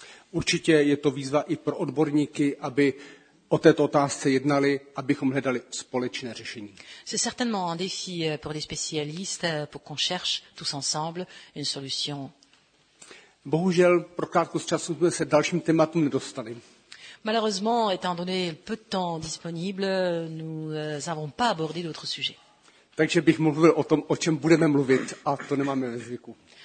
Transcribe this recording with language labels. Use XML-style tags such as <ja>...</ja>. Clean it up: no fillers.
<cs>Určitě je to výzva i pro odborníky, aby o této otázce jednali, abychom hledali společné řešení.</cs> <fr>C'est certainement un défi pour les spécialistes, pour qu'on cherche tous ensemble une solution.</fr> <cs>Bohužel, pro krátkost času jsme se dalším tématům nedostali.</cs> <fr>Malheureusement, étant donné le peu de temps disponible, nous n'avons pas abordé d'autres sujets.</fr> <cs>Takže bych mluvil o tom, o čem budeme mluvit, a to nemáme ve zvyku.</cs>